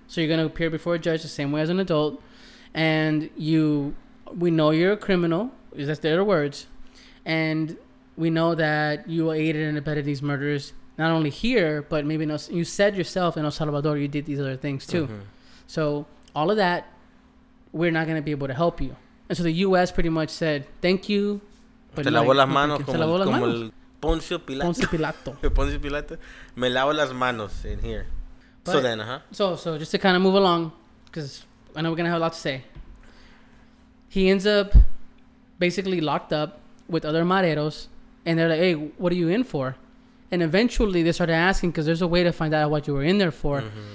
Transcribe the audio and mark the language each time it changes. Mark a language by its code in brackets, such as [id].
[en] So you're going to appear before a judge the same way as an adult. And we know you're a criminal. Is that their words? And we know that you aided and abetted these murders, not only here, but maybe you said yourself in El Salvador, you did these other things too. Mm-hmm. So all of that, we're not going to be able to help you. And so the U.S. pretty much said, thank you. [es] But te lavo las manos como el Poncio Pilato. Poncio Pilato. Poncio Pilato. Me lavo las manos [en] in here. [es] But, [en] So just to kind of move along, because I know we're going to have a lot to say. He ends up basically locked up with other mareros, and they're like, hey, what are you in for? And eventually they started asking, because there's a way to find out what you were in there for. Mm-hmm.